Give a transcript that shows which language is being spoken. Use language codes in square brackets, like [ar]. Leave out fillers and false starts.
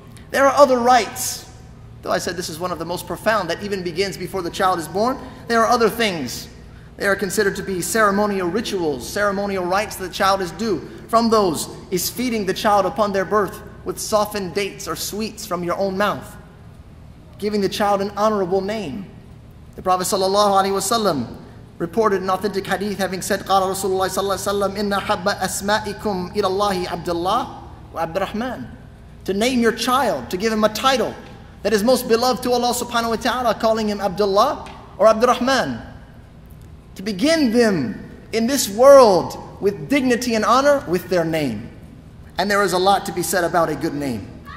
[en] There are other rights, though I said this is one of the most profound that even begins before the child is born. There are other things. They are considered to be ceremonial rituals, ceremonial rites that the child is due. From those is feeding the child upon their birth with softened dates or sweets from your own mouth, giving the child an honorable name. The Prophet sallallahu alaihi wasallam reported an authentic hadith having said, [ar] قال رسول الله صلى الله عليه وسلم إن حب أسمائكم إلى الله عبد الله وعبد الرحمن. [en] To name your child, to give him a title that is most beloved to Allah subhanahu wa ta'ala, calling him Abdullah or Abd al-Rahman. To begin them in this world with dignity and honor with their name. And there is a lot to be said about a good name.